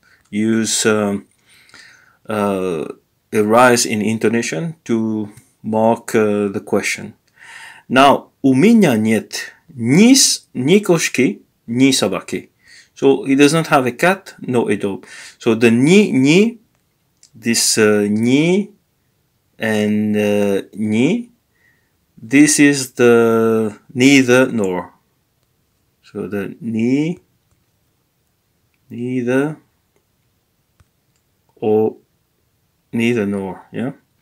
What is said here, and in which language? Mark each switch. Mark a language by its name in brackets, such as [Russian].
[English] use a rise in intonation to mark the question. [Russian] Now, у меня нет ни кошки, ни собаки. [English] So, he does not have a cat, no a dog. So, the ни, this ни and ни, this is the neither nor. So, the ни, neither, or neither nor, yeah?